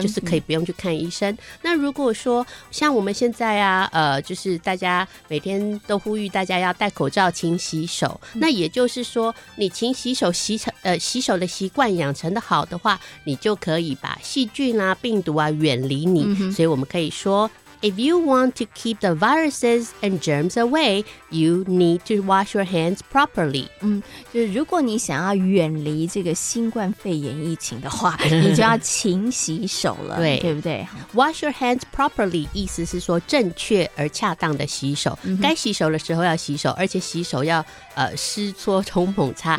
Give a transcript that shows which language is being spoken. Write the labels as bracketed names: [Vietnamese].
[Chinese] 就是可以不用去看医生、嗯、那如果说像我们现在啊就是大家每天都呼吁大家要戴口罩勤洗手、嗯、那也就是说你勤洗手洗手的习惯养成的好的话，你就可以把细菌啊病毒啊远离你、嗯、所以我们可以说 [English] If you want to keep the viruses and germs away, you need to wash your hands properly. [Chinese] 嗯，就是如果你想要远离这个新冠肺炎疫情的话，你就要勤洗手了，对，对不对？ [English] Wash your hands properly [Chinese] 意思是说正确而恰当的洗手、嗯、该洗手的时候要洗手，而且洗手要湿搓冲捧擦、